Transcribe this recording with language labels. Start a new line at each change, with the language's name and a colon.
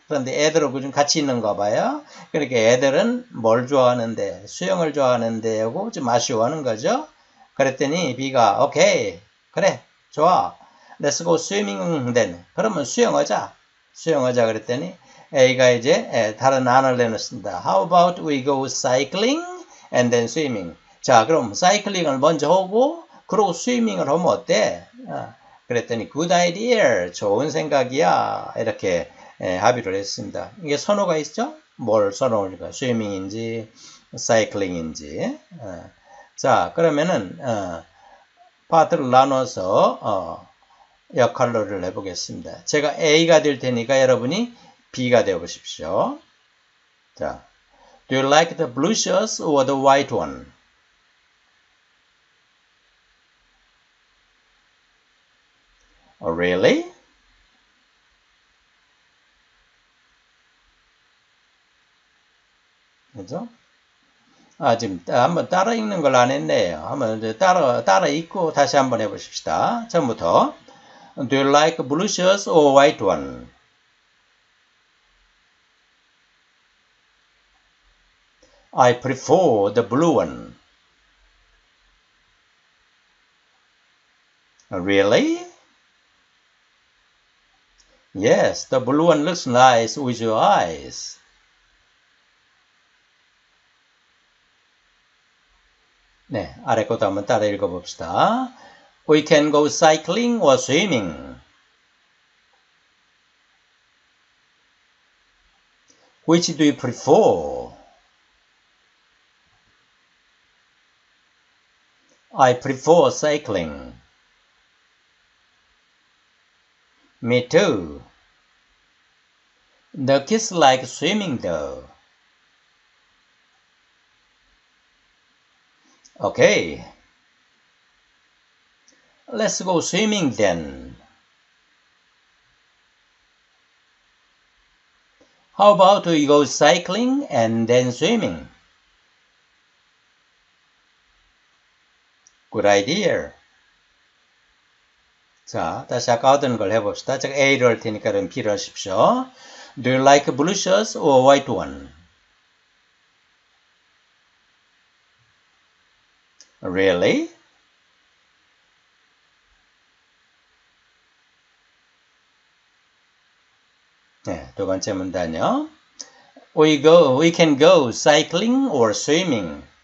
Korean: 그런데 애들하고 좀 같이 있는가 봐요. 그렇게 애들은 뭘 좋아하는데? 수영을 좋아하는데 하고 좀 아쉬워하는 거죠. 그랬더니 비가 오케이. 그래. 좋아.
English: Let's go swimming then.
Korean: 그러면 수영하자. 수영하자 그랬더니 A가 이제 다른 안을 내놓습니다.
English: How about we go cycling and then swimming?
Korean: 자, 그럼 사이클링을 먼저 하고 그러고 스위밍을 하면 어때? 그랬더니
English: good idea.
Korean: 좋은 생각이야. 이렇게 합의를 했습니다. 이게 선호가 있죠? 뭘 선호하니까 스위밍인지 사이클링인지. 자, 그러면은 파트를 나눠서 역할로를 해보겠습니다. 제가 A가 될 테니까 여러분이 B가 되어 보십시오.
English: 자, Do you like the blue shirts or the white one? 어, really?
Korean: 그죠? 아, 지금 한번 따라 읽는 걸안 했네요. 한번 이제 따라 읽고 다시 한번 해보십시다. 처음부터.
English: Do you like blue shirts or white one? I prefer the blue one. Really? Yes, the blue one looks nice with your eyes.
Korean: 네, 아래 것도 한번 따라 읽어봅시다.
English: We can go cycling or swimming. Which do you prefer? I prefer cycling. Me too. The kids like swimming though. Okay, let's go swimming then. How about we go cycling and then swimming? Good idea.
Korean: 자, 다시 아까 하던 걸 해봅시다. 제가 A를 할 테니까 그럼 B를 하십시오.
English: Do you like blue shirts or white one? Really? Yeah,
Korean: 두 번째 문단요.
English: We can go cycling or swimming.